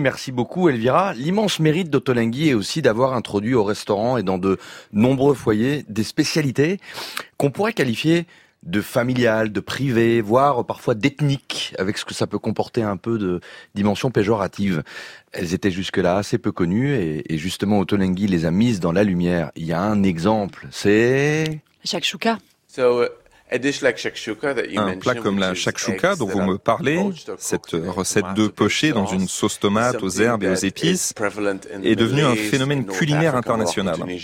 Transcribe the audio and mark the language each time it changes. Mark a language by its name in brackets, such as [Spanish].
[French] Merci beaucoup Elvira. L'immense mérite d'Ottolenghi est aussi d'avoir introduit au restaurant et dans de nombreux foyers des spécialités qu'on pourrait qualifier de familial, de privé, voire parfois d'ethnique, avec ce que ça peut comporter un peu de dimension péjorative. Elles étaient jusque-là assez peu connues et justement Ottolenghi les a mises dans la lumière. Il y a un exemple, c'est shakshuka. [English] So, a dish like shakshuka that you [French] un plat comme la shakshuka dont vous me parlez, cette recette de poché dans une sauce tomate aux herbes et aux épices, est devenu un phénomène culinaire international.